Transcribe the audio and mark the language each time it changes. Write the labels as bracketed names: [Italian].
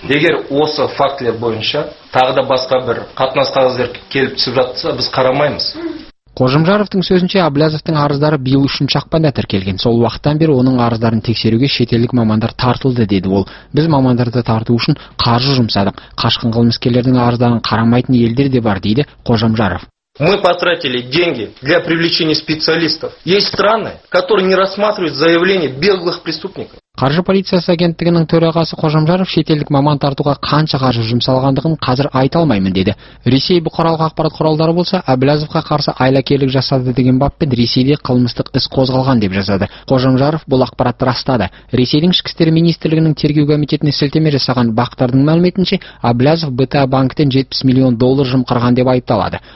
[Kazakh] Егер осы фактілер бойынша тағы да басқа бір қатынас қағаздар келіп түсіп жатса, біз қарамаймыз. Қожамжаровтың сөзінше, Әблязовтың арыздары биыл үшінші ақпанда тіркелген. Сол уақыттан бері оның арыздарын тексеруге шетелдік мамандар тартылды, деді ол. Біз мамандарды тарту үшін қаржы жұмсадық. Қашқын қылмыскерлердің арыздарын қарамайтын елдер де бар, дейді Қожамжаров. [Russian] Мы потратили деньги для привлечения специалистов. Есть страны, которые не рассматривают заявления беглых преступников. [Kazakh] Қаржы полициясы агенттігінің төрағасы Қожамжаров шетелдік маман тартуға қанша қаржы жұмсалғандығын қазір айта алмаймын, деді. Ресей бұқаралық ақпарат құралдары болса, Әблязовқа қарсы айлакерлік жасады деген баппен Ресейде қылмыстық іс қозғалған деп жазады. Қожамжаров бұл ақпаратты растады. Ресейдің ішкі істер министрлігінің тергеу комитетіне сілтеме жасаған бақтардың мәліметінше, Әблязов БТА банктен 70 миллион доллар жымқырған деп айыпталады.